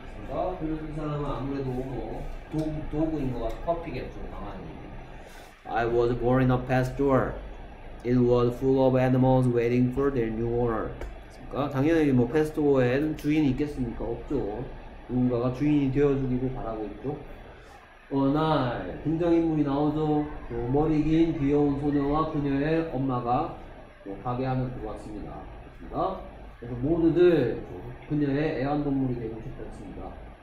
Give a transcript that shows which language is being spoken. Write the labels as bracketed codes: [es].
[ko] 아, 그래서 이 사람은 아무래도 도구인 것 같아. 커피겠죠, 당연히. [en] I was born in a pasture. It was full of animals waiting for their new owner. [ko] 그러니까 당연히 뭐 패스트워에는 주인이 있겠습니까? 없죠. 누군가가 주인이 되어주기를 바라고 있죠. 어느 날 등장인물이 나오죠. 그 머리 긴 귀여운 소녀와 그녀의 엄마가 가게 안을 들어왔습니다. 그래서 모두들 그녀의 애완동물이 되고 싶었습니다.